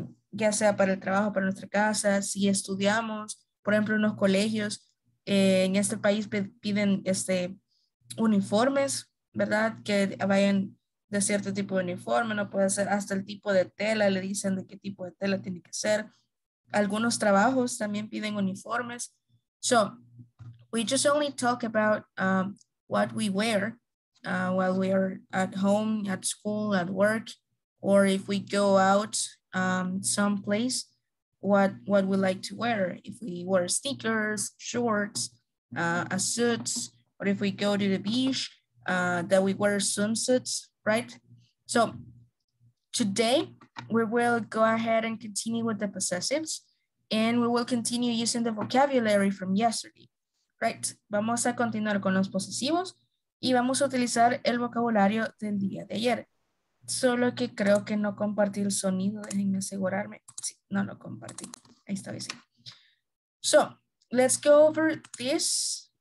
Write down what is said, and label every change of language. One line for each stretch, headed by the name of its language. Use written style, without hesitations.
Spanish: ya sea para el trabajo, para nuestra casa, si estudiamos, por ejemplo, en los colegios, en este país piden uniformes, ¿verdad? Que vayan de cierto tipo de uniforme, no puede ser hasta el tipo de tela, le dicen de qué tipo de tela tiene que ser. Algunos trabajos también piden uniformes.
English: So, we just only talk about what we wear while we are at home, at school, at work, or if we go out someplace, what we like to wear. If we wear sneakers, shorts, a suit, or if we go to the beach, that we wear swimsuits, right? So today we will go ahead and continue with the possessives, and we will continue using the vocabulary from yesterday, right?
Spanish: Vamos a continuar con los posesivos y vamos a utilizar el vocabulario del día de ayer. Solo que creo que no compartí el sonido, déjenme asegurarme. Sí, no lo compartí. Ahí está, sí.
English: So, let's go over this.